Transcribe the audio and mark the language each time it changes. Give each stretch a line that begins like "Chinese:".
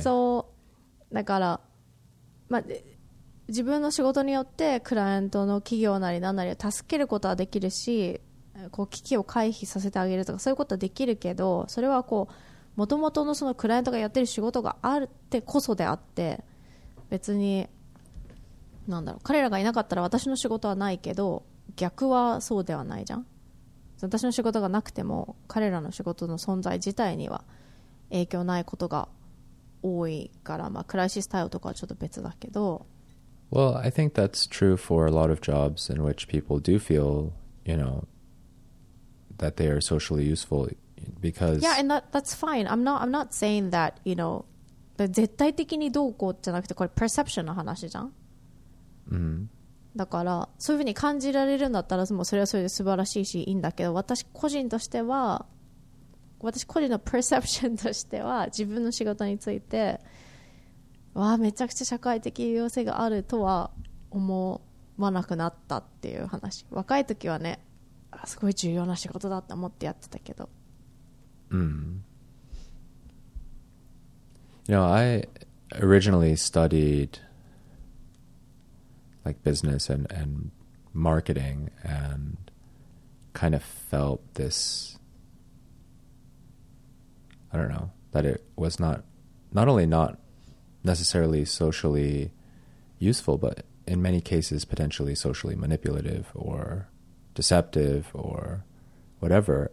Japanese: そう、だから、まあ、自分の仕事によってクライアントの企業なり何なりを助けることはできるし、こう危機を回避させてあげるとかそういうことはできるけど、それはこう元々のそのクライアントがやってる仕事があるってこそであって、別になんだろう、彼らがいなかったら私の仕事はないけど、逆はそうではないじゃん。私の仕事がなくても彼らの仕事の存在自体には影響ないことが多いから、まあ、クライシス対応とかはちょっと別だけど。
English: Well, I think that's true for a lot of jobs in which people do feel, you know, that they are socially useful because... Yeah, and that's fine. I'm not saying that, you know, that
Japanese: 絶対的にどうこうじゃなくて、これ perception の話じゃん。 Mm-hmm. だからそういうふうに感じられるんだったら、もうそれはそれで素晴らしいしいいんだけど、私個人のプレセプションとしては、自分の仕事についてわめちゃくちゃ社会的有用性があるとは思わなくなったっていう話。若い時はね、すごい重要な仕事だと思ってやってたけど、
English: You know, I originally studiedLike business and marketing, and kind of felt this I don't know, that it was not only not necessarily socially useful, but in many cases potentially socially manipulative or deceptive or whatever.